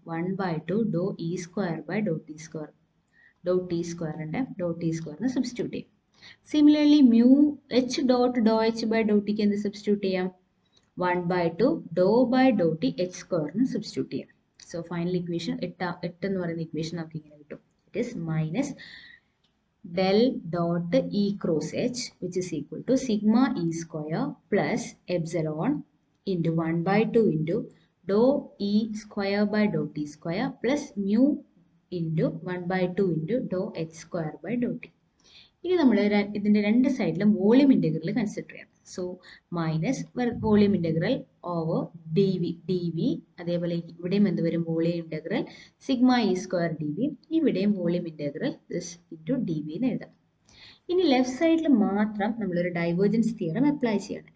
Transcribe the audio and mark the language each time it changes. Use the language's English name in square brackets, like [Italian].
[Malayalam] 1/2 Dr E square by Dr T square, Dr T സ്ക്വയറിൻ്റെ ഡോ T സ്ക്വയറിന് substitute ചെയ്യും. Similarly mu H dot Dr H by Dr tick എന്ത് substitute ചെയ്യാം? 1/2 ഡോ by Dr T H സ്ക്വയറിന് substitute ചെയ്യാം. [English] So final equation, [Malayalam] eta nu parayna equation namukku ingane kittum. [English] It is minus del dot E cross H, which is equal to sigma E square plus epsilon into 1 by 2 into dou E square by dou T square plus mu into 1 by 2 into dou H square by dou T. [Malayalam] ഇനി നമ്മൾ ഇതിന്റെ രണ്ട് സൈഡിലും volume integral consider ചെയ്യണം. So minus volume integral over D V, അതേപോലെ ഇവിടെയും എന്ത് വരും, volume integral sigma E square D V. ഇവിടെയും volume integral into D V എന്ന് എഴുതാം. ഇനി ലെഫ്റ്റ് സൈഡിൽ മാത്രം നമ്മളൊരു ഡൈവേർജൻസ് തിയറം അപ്ലൈ ചെയ്യണം.